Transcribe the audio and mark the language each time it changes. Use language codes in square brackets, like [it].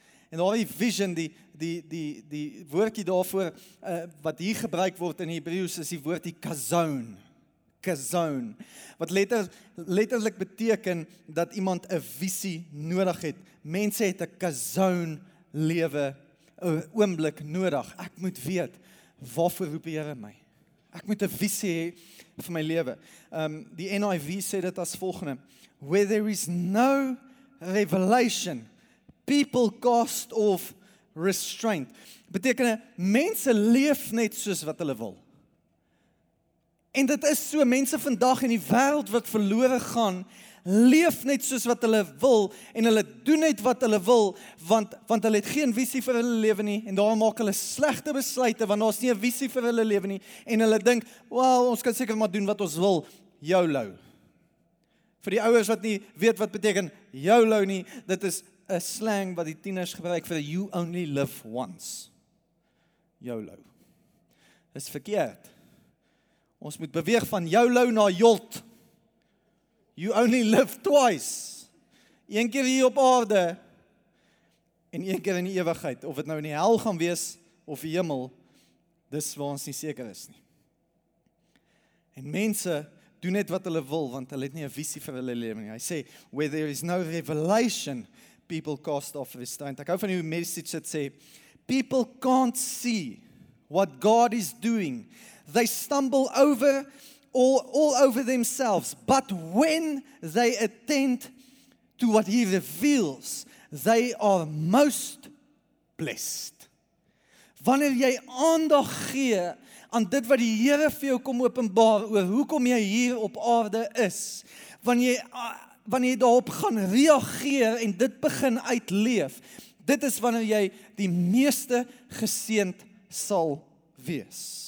[af] En al die vision, die woordkie daarvoor, wat hier gebruik word in Hebreeus, is die woord die kazoon. Kazoon. Wat letterlik beteken, dat iemand 'n visie nodig het. Mense het 'n kazoon lewe, 'n oomblik nodig. Ek moet weet, waarvoor roep Here my? Ek moet 'n visie hê vir my lewe. Die NIV sê dit as volgende, [en] where there is no revelation, people cast off restraint. [af] Beteken, mense leef net soos wat hulle wil. En dit is so, mense vandag in die wêreld wat verlore gaan, leef net soos wat hulle wil, en hulle doen net wat hulle wil, want hulle het geen visie vir hulle lewe nie, en daarom maak hulle slegte besluite, want daar is nie 'n visie vir hulle lewe nie, en hulle dink, well, ons kan seker maar doen wat ons wil, YOLO. Vir die ouers wat nie weet wat beteken YOLO nie, dit is een slang wat die tieners gebruik vir [en] you only live once. [af] YOLO. Is verkeerd. Ons moet beweeg van YOLO na YOLT. [en] You only live twice. [af] Een keer hier op aarde en een keer in die ewigheid. Of het nou in die hel gaan wees of die hemel, dis waar ons nie seker is nie. En mense doen net wat hulle wil, want hulle het nie 'n visie vir hulle lewe nie. Hy sê, [en] where there is no revelation, people cast off restraint. [af] Ek hou van die message dat sê, [en] people can't see what God is doing. They stumble over all over themselves. But when they attend to what he reveals, they are most blessed. [af] Wanneer jy aandag gee aan dit wat die Here vir jou kom openbaar oor hoekom jy hier op aarde is, wanneer jy daarop gaan reageer en dit begin uitleef, dit is wanneer jy die meeste geseend sal wees.